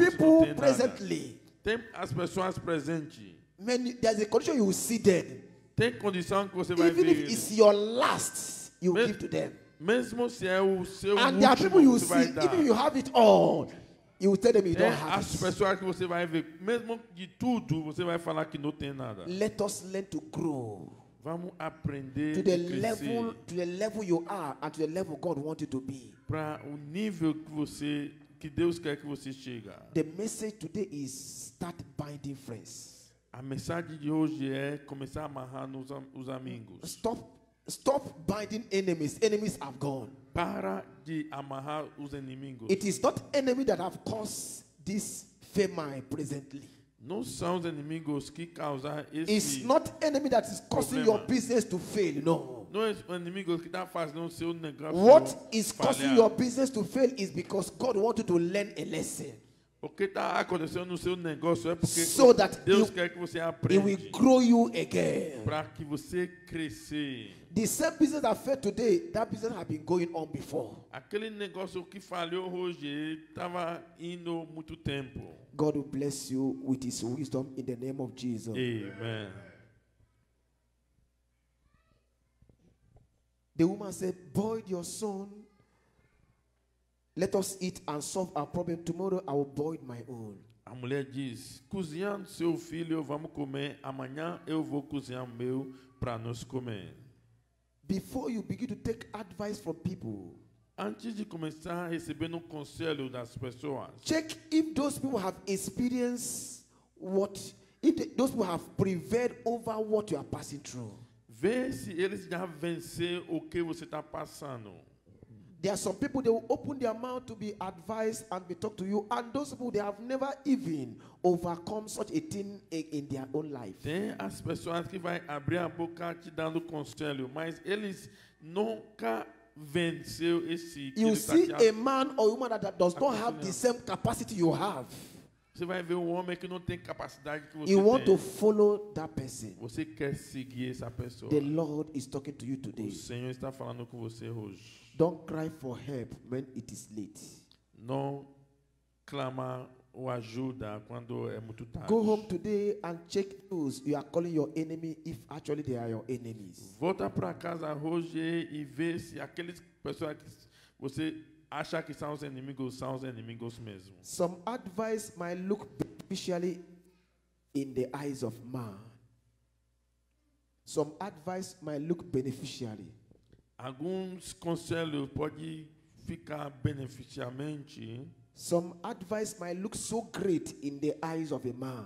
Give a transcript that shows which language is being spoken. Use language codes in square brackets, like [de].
[en] are people [pt] você não tem [en] presently. [pt] Nada. Tem as pessoas presentes. [en] Many, there's a condition you will see then. [pt] Tem condição que você [en] even [pt] vai ver. [en] If it's your last, you will give to them. [pt] Mesmo se é o seu [en] and there are people you see, even if you have it all, you will tell them you [pt] é [en] don't have it. [pt] As pessoas que você vai ver, mesmo de tudo, você vai falar que não tem nada. [en] Let us learn to grow. [pt] Vamos aprender [en] to the level you are and to the level God wants you to be. [pt] Para o nível que você que Deus quer que você chegue. [en] The message today is start binding friends. [pt] A mensagem de hoje é começar a amarrar os amigos. [en] Stop binding enemies. Enemies have gone. [pt] para de amarrar os inimigos. [en] It is not enemy that have caused this famine presently. [pt] Não são os inimigos que causam esse. [en] It's not enemy that is causing [pt] problema. [en] Your business to fail. No. [pt] Não é o inimigo que está fazendo o seu negócio falhar. [en] What is causing your business to fail is because God wanted to learn a lesson. [pt] O que está acontecendo no seu negócio é porque [en] so that [pt] Deus quer que você aprenda. [en] He will grow you again. [pt] Para que você cresça. [en] The same business that failed today, that business had been going on before. [pt] Aquele negócio que falhou hoje estava indo muito tempo. [en] God will bless you with His wisdom in the name of Jesus. Amen. The woman said, "Boil your son. Let us eat and solve our problem. Tomorrow I will boil my own." [pt] A mulher diz, "Cozinhando seu filho, vamos comer. Amanhã eu vou cozinhar meu para nós comer." [en] Before you begin to take advice from people, [pt] antes de começar recebendo conselho das pessoas, [en] check if those people have experienced what, if those people have prevailed over what you are passing through. [pt] Vê se eles já venceram o que você está passando. [en] There are some people, they will open their mouth to be advised and be talked to you, and those people, they have never even overcome such a thing in their own life. [pt] Tem as pessoas que vai abrir a boca te dando conselho, mas eles nunca venceu esse. [en] You see a man or woman that does not have the same capacity you have. [pt] Você vai ver homem que não tem capacidade que você [en] you want [pt] tem. [en] To follow that person. [pt] Você quer seguir essa pessoa. [en] The Lord is talking to you today. [pt] O Senhor está falando com você hoje. [en] Don't cry for help when it is late. [pt] Não clama o ajuda quando é muito tarde. [en] Go home today and check those you are calling your enemy if actually they are your enemies. [pt] Volta para casa hoje e vê se aqueles pessoas que você acha que são os inimigos mesmo. [en] Some advice might look beneficially in the eyes of man. Some advice might look beneficially. [pt] Alguns conselhos pode ficar beneficiamente. [en] Some advice might look so great in the eyes of a man.